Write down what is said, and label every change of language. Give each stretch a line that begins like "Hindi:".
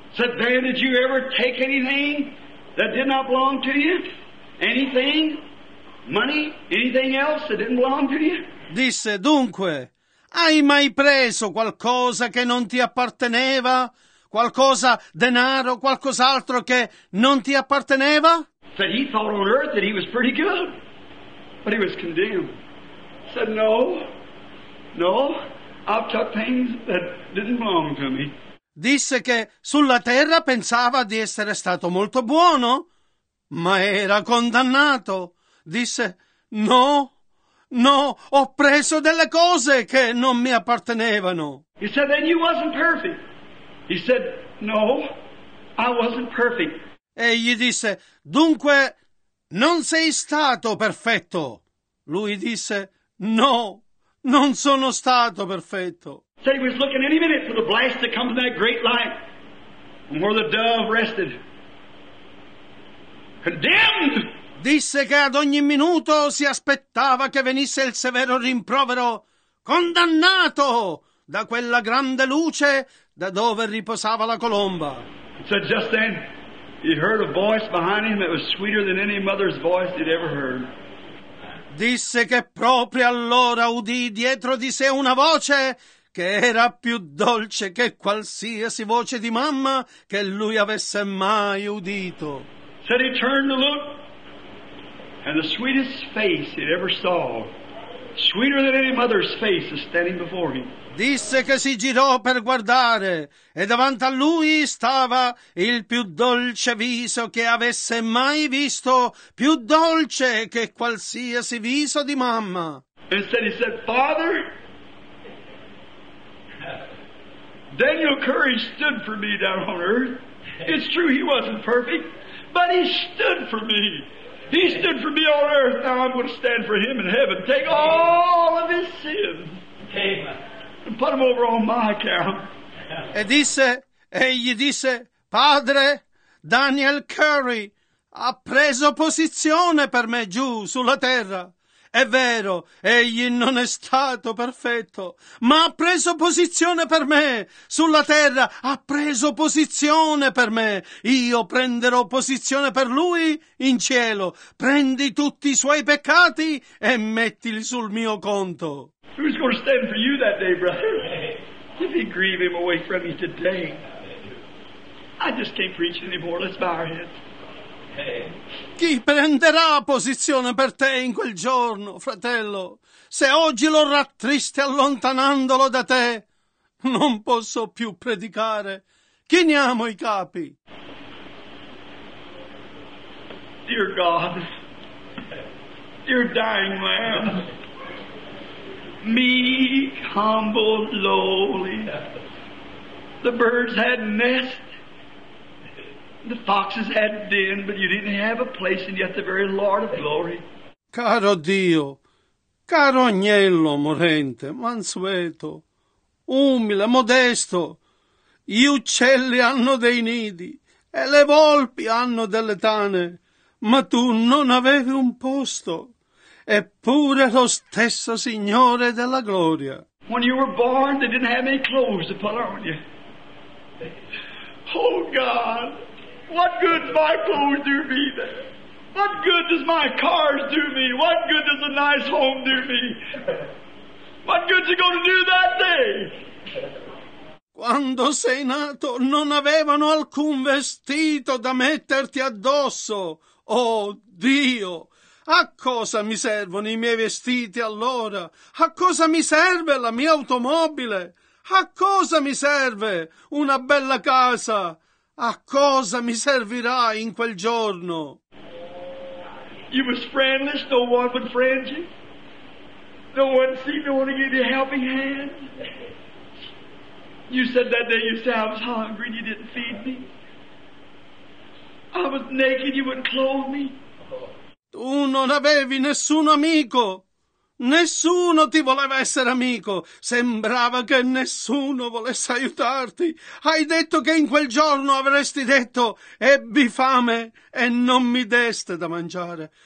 English: Said, Dan, did you ever take anything that did not belong to you? Anything? Money? Anything else that didn't belong to you?
Italian: Disse, dunque, hai mai preso qualcosa che non ti apparteneva? Qualcosa, denaro, qualcos'altro che non ti apparteneva?
English: Said he thought on earth that he was pretty good, but he was condemned. Said no, no, I've took things that didn't belong to me.
Italian: Disse che sulla terra pensava di essere stato molto buono, ma era condannato. Disse no, no, ho preso delle cose che non mi appartenevano.
English: He said then you wasn't perfect. He said, no, I wasn't perfect.
Italian: E gli disse, dunque, non sei stato perfetto. Lui disse, no, non sono stato perfetto.
English: Said he was looking any minute for the blast to come from that great light where the dove rested. Condemned!
Italian: Disse che ad ogni minuto si aspettava che venisse il severo rimprovero. Condannato da quella grande luce da dove riposava la colomba.
English: So just then he heard a voice behind him that was sweeter than any mother's voice he'd ever heard.
Italian: Disse che proprio allora udì dietro di sé una voce che era più dolce che qualsiasi voce di mamma che lui avesse mai udito.
English: Said he turned to look and the sweetest face he'd ever saw, sweeter than any mother's face, is standing before him.
Italian: Disse che si girò per guardare e davanti a lui stava il più dolce viso che avesse mai visto, più dolce che qualsiasi viso di mamma.
English: Instead he said, Father, Daniel Curry stood for me down on earth. It's true he wasn't perfect, but he stood for me. He stood for me on earth. Now I'm going to stand for him in heaven. Take all of his sins. Amen. And put him over on my account.
Italian: E disse, egli disse, Padre, Daniel Curry ha preso posizione per me giù sulla terra È vero, egli non è stato perfetto, ma ha preso posizione per me. Sulla terra ha preso posizione per me. Io prenderò posizione per lui in cielo. Prendi tutti i suoi peccati e mettili sul mio conto.
English: Who's going to stand for you that day, brother? If you grieve him away from you today. I just can't preach anymore. Let's bow our heads.
Italian: Chi prenderà posizione per te in quel giorno, fratello? Se oggi lo rattristi allontanandolo da te, non posso più predicare. Chiniamo i capi.
English: Dear God, dear dying lamb, meek, humble, lowly, the birds had nests. The foxes had din, but you didn't have a place, and yet the very Lord of glory.
Italian: Caro Dio, caro agnello morente, mansueto, umile, modesto, gli uccelli hanno dei nidi e le volpi hanno delle tane, ma tu non avevi un posto, eppure lo stesso Signore della gloria.
English: When you were born, they didn't have any clothes to put on you. Oh, God! What good does my clothes do me then? What good does my cars do me? What good does a nice home do me? What good's it gonna do that day?
Italian: Quando sei nato non avevano alcun vestito da metterti addosso. Oh Dio! A cosa mi servono i miei vestiti allora? A cosa mi serve la mia automobile? A cosa mi serve una bella casa? A cosa mi servirà in quel giorno?
English: You was friendless, no one would friend you. No one seemed to want to give you a helping hand. You said that day you said I was hungry and you didn't feed me. I was naked, you wouldn't clothe me.
Italian: Tu non avevi nessun amico. Nessuno ti voleva essere amico. Sembrava che nessuno volesse aiutarti. Hai detto che in quel giorno avresti detto: ebbi fame e non mi deste da mangiare.